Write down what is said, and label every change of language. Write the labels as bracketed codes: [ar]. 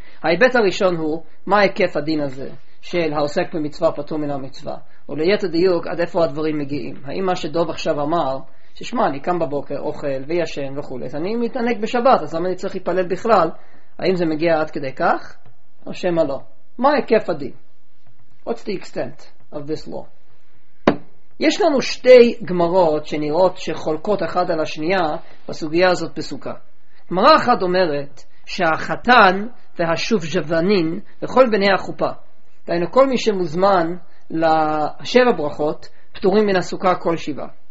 [he] ההיבט הראשון הוא, מה היקף הדין הזה של העוסק במצווה פטור מן המצווה? וליתר דיוק, עד איפה הדברים מגיעים? האם מה שדוב עכשיו אמר, ששמע, אני קם בבוקר, אוכל וישן וכו', אז אני מתענג בשבת, אז למה אני צריך להיפלל בכלל? האם זה מגיע עד כדי כך? או שמה לא? מה היקף הדין? [en] What's the extent of this law? [he] יש לנו שתי גמרות שנראות שחולקות אחד על השנייה בסוגיה הזאת בסוכה. גמרה אחת אומרת שהחתן והשוב ז'וונין וכל בני החופה, דיינו כל מי שמוזמן לשבע ברכות, פטורים מן הסוכה כל שבעה.